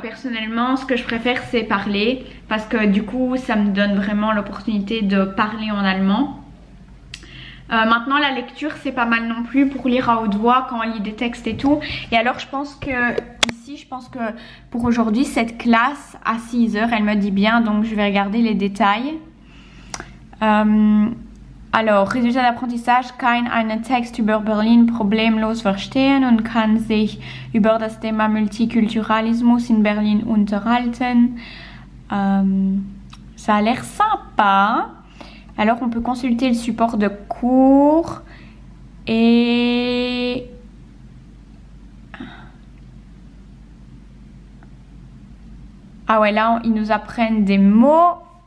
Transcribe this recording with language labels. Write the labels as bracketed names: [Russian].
[French] Personnellement, ce que je préfère, c'est parler, parce que du coup ça me donne vraiment l'opportunité de parler en allemand. Maintenant la lecture c'est pas mal non plus pour lire à haute voix quand on lit des textes et tout. Et alors je pense que ici, je pense que pour aujourd'hui cette classe à 6h, elle me dit bien, donc je vais regarder les détails. Alors, résultat d'apprentissage, [German] kein einen Text über Berlin problemlos verstehen und kann sich über das Thema Multikulturalismus in Berlin unterhalten. [French] Ça a l'air sympa. Alors, on peut consulter le support de cours et... Ah ouais, là, ils nous apprennent des mots.